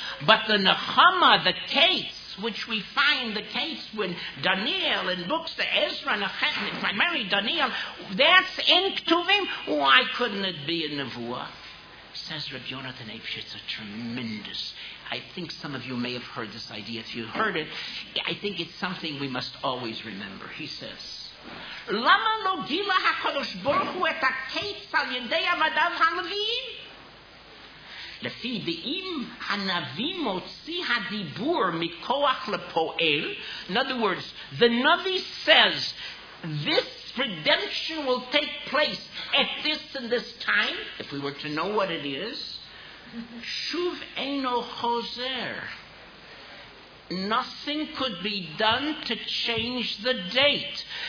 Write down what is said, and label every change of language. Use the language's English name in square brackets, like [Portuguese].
[English] But the Nechama, the case, which we find the case when Daniel in books, the Ezra, primarily Daniel, that's in Ketuvim. Why couldn't it be in Nevuah? Says Rabbi Yonatan Eipshitz, a tremendous. I think some of you may have heard this idea. If you heard it, I think it's something we must always remember. He says, [Hebrew] למה לא גילה הקדוש ברוך הוא את הקץ על ידי עבדיו הנביאים? לפי דעים הנביא מוציא הדיבור מכוח לפועל. [English] In other words, the Navi says this redemption will take place at this and this time, if we were to know what it is. [Hebrew] שוב אינו חוזר. [English] Nothing could be done to change the date.